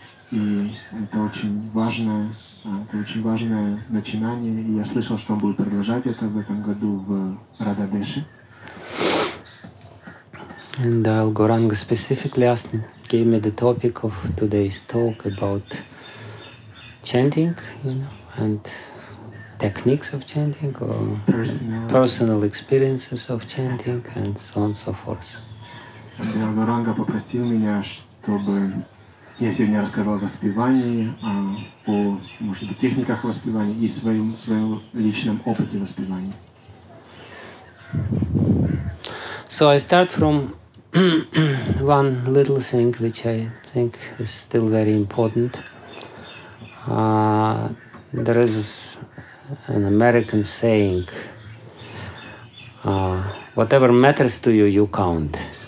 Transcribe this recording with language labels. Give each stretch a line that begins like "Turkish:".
Russian: И это очень важное начинание. И я слышал, что он будет продолжать это в этом году в Радхадеше.
English: And Гауранга specifically gave me the topic of today's talk about chanting, you know, and techniques of chanting or personal experiences of chanting and so on and so forth.
Russian: Гауранга попросил меня, чтобы я сегодня рассказал о воспевании, о, может быть, техниках воспевания и своем личном опыте воспевания.
English: So I start from one little thing which I think is still very important. There is an American saying, whatever matters to you, you count.